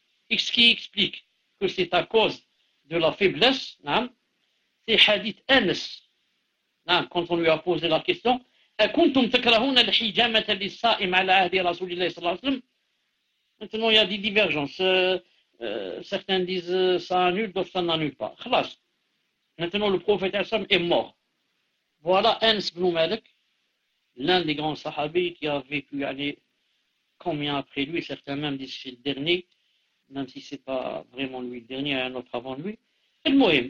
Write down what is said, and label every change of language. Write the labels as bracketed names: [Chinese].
[French] Et ce qui explique que c'est à cause de la faiblesse, c'est hadith Anas. Quand on lui a posé la question, [Arabic] كنتم تكرهون الحجامة للصائم على عهد رسول الله صلى الله عليه وسلم. [French] Maintenant, il y a des divergences. Certains disent ça annule, d'autres ça n'annule pas. [Arabic] خلاص. [French] Maintenant, le prophète Hassan est mort. Voilà Anas ibn Malik, l'un des grands sahabis qui a vécu combien après lui, certains même disent que c'est le dernier, même si ce n'est pas vraiment lui le dernier, il y a un autre avant lui. Et le Mohim.